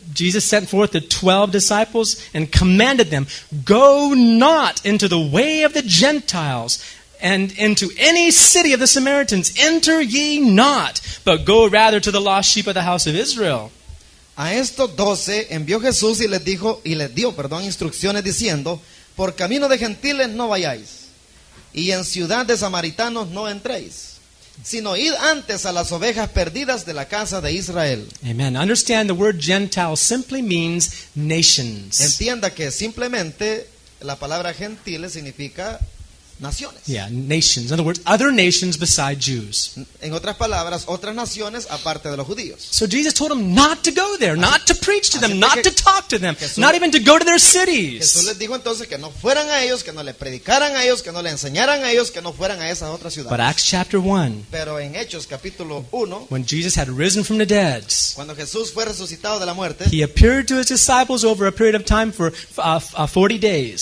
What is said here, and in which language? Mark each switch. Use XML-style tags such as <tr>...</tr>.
<en>Jesus sent forth the 12 disciples and commanded them, go not into the way of the Gentiles and into any city of the Samaritans. Enter ye not, but go rather to the lost sheep of the house of Israel.</en> <es>A estos 12 envió Jesús y les dijo, y les dio, perdón, instrucciones diciendo, por camino de gentiles no vayáis, y en ciudad de samaritanos no entréis, sino id antes a las ovejas perdidas de la casa de Israel.</es> <en>Amen. Understand the word Gentile simply means nations.</en> <es>Entienda que simplemente la palabra gentiles significa naciones.</es> <en>Yeah, nations. In other words, other nations besides Jews.</en> <es>En otras palabras, otras naciones aparte de los judíos.</es> <en>So Jesus told them not to go there, not to preach to them, not to talk to them, not even to go to their cities.</en> <es>Jesús les dijo entonces que no fueran a ellos, que no le predicaran a ellos, que no le enseñaran a ellos, que no fueran a esas otras ciudades.</es> <en>But Acts chapter 1.</en> <es>Pero en Hechos capítulo 1.</es> <en>When Jesus had risen from the dead.</en> <es>Cuando Jesús fue resucitado de la muerte.</es> <en>He appeared to his disciples over a period of time for 40 days.</en>